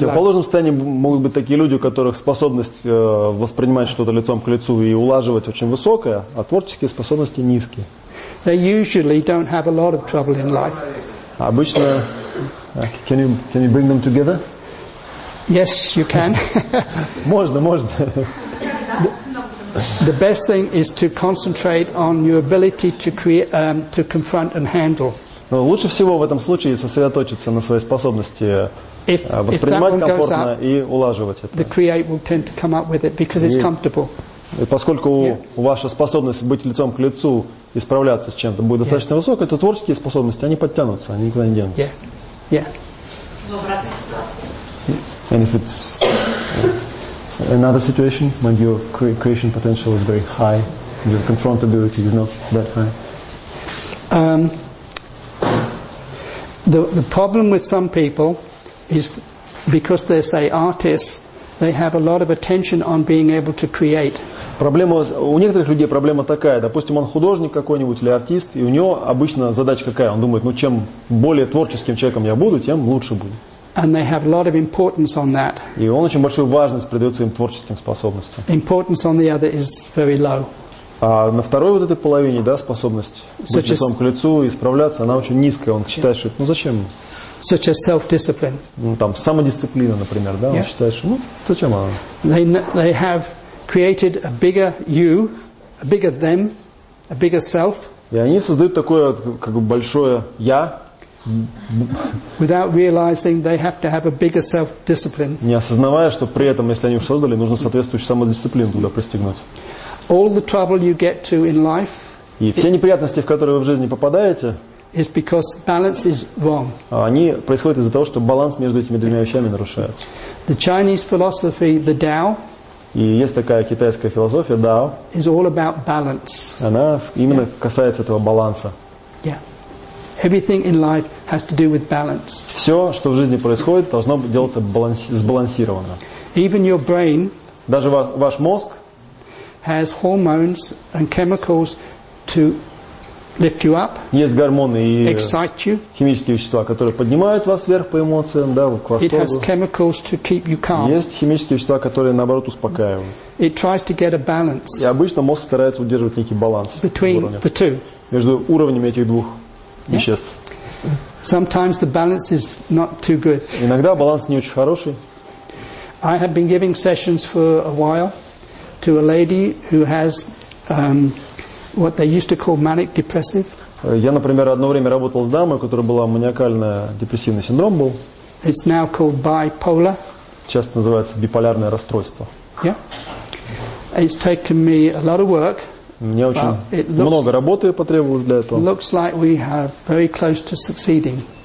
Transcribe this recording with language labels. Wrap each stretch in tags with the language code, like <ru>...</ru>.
<ru>В противоположном состоянии могут быть такие люди, у которых способность воспринимать что-то лицом к лицу и улаживать очень высокая, а творческие способности низкие.</ru> <en>They usually don't have a lot of trouble in life.</en> <ru>Обычно</ru> <en>can you bring them together? Yes, you can.</en> <ru>Можно, можно.</ru> <en>The best thing is to concentrate on your ability to create, to confront and handle.</en> <ru>Но лучше всего в этом случае сосредоточиться на своей способности воспринимать комфортно и улаживать это.</ru> <en>The creator will tend to come up with it because it's comfortable.</en> <ru>И поскольку ваша способность быть лицом к лицу и справляться с чем-то будет достаточно высокой, то творческие способности, они подтянутся, они никуда не денутся.</ru> <en>And if it's another situation, when your creation potential is very high, your confrontability is not that high. The problem with some people is because they say artists, they have a lot of attention on being able to create.</en> <ru>Проблема у некоторых людей проблема такая. Допустим, он художник какой-нибудь или артист, и у него обычно задача какая? Он думает, ну чем более творческим человеком я буду, тем лучше буду.</ru> <en>And they have a lot of importance on that.</en> <ru>И он очень большую важность придает своим творческим способностям.</ru> <en>Importance on the other is very low.</en> <ru>А на второй вот этой половине, да, способность быть лицом к лицу и справляться, она очень низкая. Он считает, что ну зачем?</ru> <en>Such as self-discipline.</en> <ru>Ну, там самодисциплина, например, да? Он считает, что ну зачем она?</ru> <en>They have created a bigger you, a bigger them, a bigger self.</en> <ru>И они создают такое как бы большое я.</ru> <en>Without realizing they have to have a bigger self-discipline.</en> <ru>Не осознавая, что при этом, если они уж создали, нужно соответствующую самодисциплину туда пристегнуть.</ru> <en>All the trouble you get to in life.</en> <ru>И все неприятности, в которые вы в жизни попадаете.</ru> <en>Is because balance is wrong.</en> <ru>Они происходят из-за того, что баланс между этими двумя вещами нарушается.</ru> <en>The Chinese philosophy, the Tao.</en> <ru>И есть такая китайская философия Дао.</ru> <en>Is all about balance.</en> <ru>Она именно касается этого баланса.</ru> <en>Yeah. Everything in life has to do with balance.</en> <ru>Все, что в жизни происходит, должно делаться сбалансированно.</ru> <en>Even your brain.</en> <ru>Даже ваш мозг.</ru> <en>Has hormones and chemicals to lift you up.</en> <ru>Есть гормоны и</ru> <en>excite you.</en> <ru>Химические вещества, которые поднимают вас вверх по эмоциям, да, к восторгу.</ru> <en>It has chemicals to keep you calm.</en> <ru>Есть химические вещества, которые наоборот успокаивают.</ru> <en>It tries to get a balance.</en> <ru>И обычно мозг старается удерживать некий баланс</ru> <en>between the two.</en> <ru>Между уровнями этих двух веществ.</ru> <en>Sometimes the balance is not too good.</en> <ru>Иногда баланс не очень хороший.</ru> <en>I have been giving sessions for a while. To a lady who has what they used to call manic depressive.</en> <ru>Я, например, одно время работал с дамой, у которой была маниакально-депрессивный синдром был.</ru> <en>It's now called bipolar.</en> <ru>Сейчас называется биполярное расстройство.</ru> <en>Yeah. It's taken me a lot of work.</en> <ru>Мне очень много работы потребовалось для этого.</ru> <en>Looks like we have very close to succeeding.</en>